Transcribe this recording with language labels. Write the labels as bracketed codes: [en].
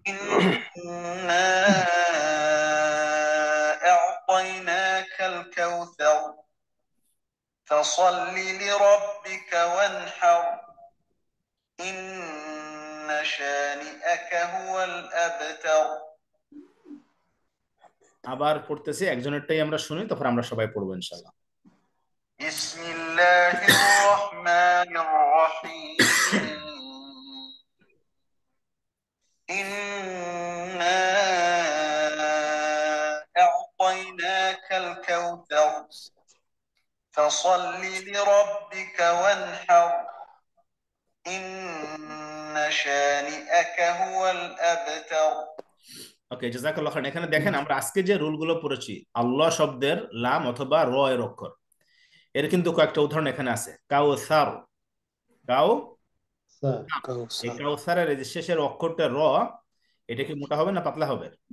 [ar] إنا أعطيناك الكوثر فصل لربك وانحر إن شانئك هو الأبتر. [bn] আবার পড়তেছি, একজনেরটাই আমরা শুনি, তারপর আমরা সবাই পড়বো ইনশাল্লাহ। [ar] بسم الله الرحمن الرحيم إنا أعطيناك الكوثر فصل لربك وانحر إن شانئك هو الأبتر. [bn] ওকে, জাজাকাল্লাহ খান। এখানে দেখেন আমরা আজকে যে রুলগুলো পড়েছি, আল্লাহ শব্দের লাম অথবা র এর অক্ষর, এর কিন্তু কয়েকটা উদাহরণ এখানে আছে। কাউসার, কাও, স্যার এই কাউসার, কাউসারের এই শেষের অক্ষরটা র, এটা কি মোটা হবে না পাতলা হবে?